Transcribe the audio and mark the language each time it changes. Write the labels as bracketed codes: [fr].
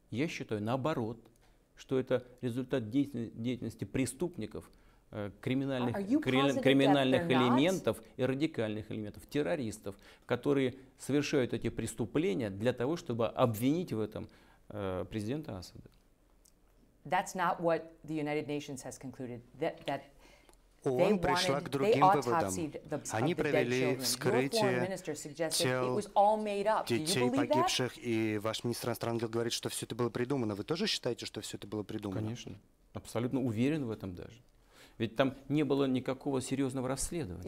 [ru] Я считаю, наоборот, что это результат деятельности преступников, криминальных элементов и радикальных элементов, террористов, которые совершают эти преступления для того, чтобы обвинить в этом президента Асада. [en] That's not what the United Nations has concluded. That [ru] ООН пришла к другим выводам. Они провели вскрытие тел детей погибших, и ваш министр иностранных дел говорит, что все это было придумано. Вы тоже считаете, что все это было придумано? Конечно. Абсолютно уверен в этом даже. Ведь там не было никакого серьезного расследования.